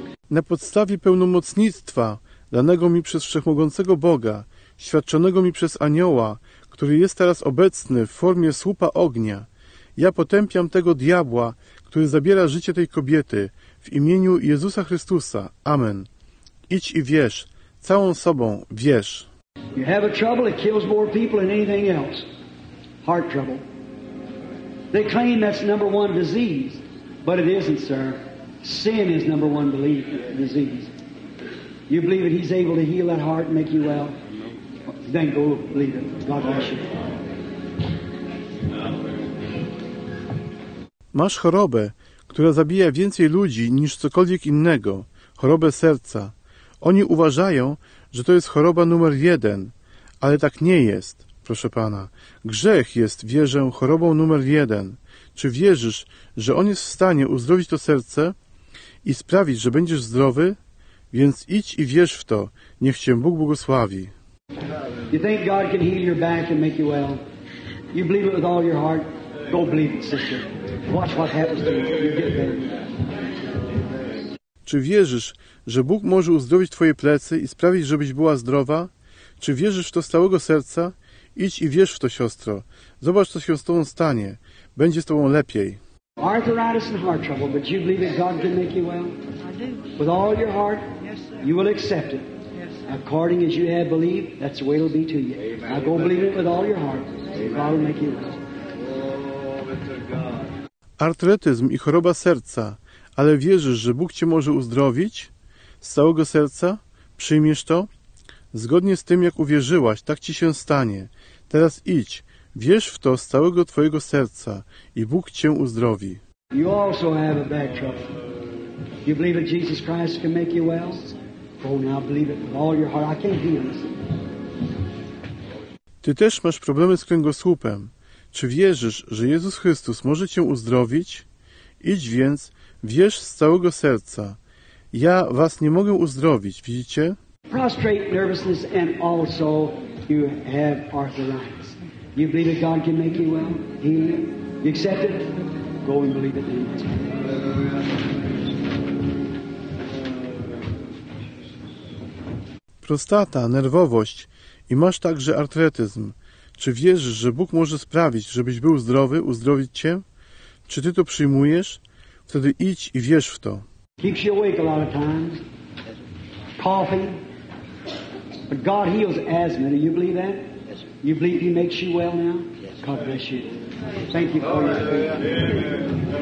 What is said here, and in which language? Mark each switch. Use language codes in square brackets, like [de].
[pl] Na podstawie pełnomocnictwa danego mi przez Wszechmogącego Boga, świadczonego mi przez anioła, który jest teraz obecny w formie słupa ognia, ja potępiam tego diabła, który zabiera życie tej kobiety, w imieniu Jezusa Chrystusa. Amen. Idź i wierz, całą sobą wierz. [en] You have a trouble, it kills more people than anything else. Heart trouble. They claim that's number one disease, but it isn't, sir. Sin is number one belief, disease. You believe that he's able to heal that heart and make you well? Then go believe it. God bless you. [pl] Masz chorobę, która zabija więcej ludzi niż cokolwiek innego, chorobę serca. Oni uważają, że to jest choroba numer jeden, ale tak nie jest, proszę Pana. Grzech jest, wierzę, chorobą numer jeden. Czy wierzysz, że On jest w stanie uzdrowić to serce? I sprawić, że będziesz zdrowy? Więc idź i wierz w to. Niech Cię Bóg błogosławi. [en] You think God can heal your back and make you well? You believe it with all your heart? Go believe it, sister. Watch what happens to you. You get better. [pl] Czy wierzysz, że Bóg może uzdrowić Twoje plecy i sprawić, żebyś była zdrowa? Czy wierzysz w to z całego serca? Idź i wierz w to, siostro. Zobacz, co się z Tobą stanie. Będzie z Tobą lepiej. [en] Arthritis and heart trouble, but you believe that God can make you well? I do. With all your heart, yes, sir. You will accept it. Yes, according as you have believed, that's the way it will be to you. Amen. Now go believe it with all your heart. Amen. God will make you well. Glory to God. [pl] Artretyzm i choroba serca, ale wierzysz, że Bóg cię może uzdrowić? Z całego serca? Przyjmiesz to? Zgodnie z tym, jak uwierzyłaś, tak ci się stanie. Teraz idź. Wierz w to z całego Twojego serca i Bóg Cię uzdrowi. [en] You also have a back trouble. You believe that Jesus Christ can make you well? Go now, believe it with all your heart. I can't heal this. [pl] Ty też masz problemy z kręgosłupem. Czy wierzysz, że Jezus Chrystus może Cię uzdrowić? Idź więc, wierz z całego serca. Ja Was nie mogę uzdrowić, widzicie? [en] Prostrate nervousness and also you have arthritis. You believe that God can make you well? Heal you? You accept it? Go and believe it then. [pl] Prostata, nerwowość i masz także artretyzm. Czy wierzysz, że Bóg może sprawić, żebyś był zdrowy, uzdrowić cię? Czy ty to przyjmujesz? Wtedy idź i wierz w to. [en] Keeps you awake a lot of times. Coughing. But God heals asthma. Do you believe that? You believe He makes you well now? God bless you. Thank you for your faith.